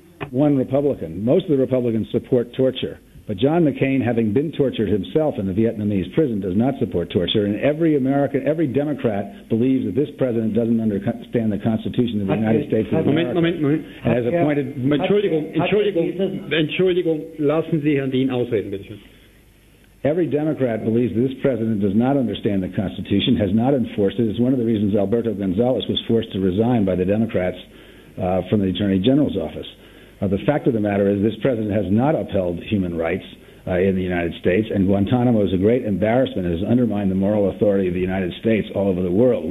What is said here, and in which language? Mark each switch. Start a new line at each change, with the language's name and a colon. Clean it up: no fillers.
English: One Republican. Most of the Republicans support torture. But John McCain, having been tortured himself in the Vietnamese prison, does not support torture. And every American, every Democrat believes that this president doesn't understand the Constitution of the United States of America.
German: Moment.
English: Has appointed...
German: Entschuldigung, lassen Sie Herrn Dean ausreden, bitte schön.
English: Every Democrat believes that this president does not understand the Constitution, has not enforced it. It's one of the reasons Alberto Gonzalez was forced to resign by the Democrats from the Attorney General's office. The fact of the matter is this president has not upheld human rights in the United States, and Guantanamo is a great embarrassment. It has undermined the moral authority of the United States all over the world.